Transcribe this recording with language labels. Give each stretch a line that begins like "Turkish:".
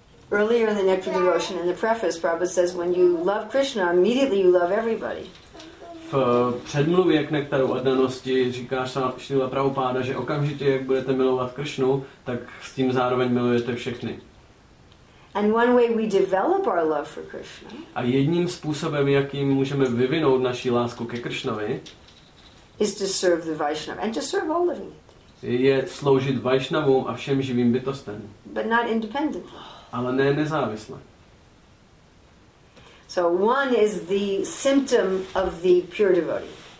English: Earlier in the Nectar Devotion, in the preface, Prabhupada says, when you love Krishna, immediately you love everybody.
Czech: V předmluvě k Nektaru oddanosti říká Šrila Prabhupada, že okamžitě, jak budete milovat Kršnu, tak s tím zároveň milujete všechny.
English: And one way we develop our love for Krishna.
Czech: A jedním způsobem, jakým můžeme vyvinout naši lásku ke Kršnovi,
English: is to serve the Vaishnava and to serve all living things.
Czech: Je sloužit Vaishnavům a všem živým bytostem.
English: But not independently.
Czech: Ale ne nezávisle.
English: So one is the symptom of the pure devotee.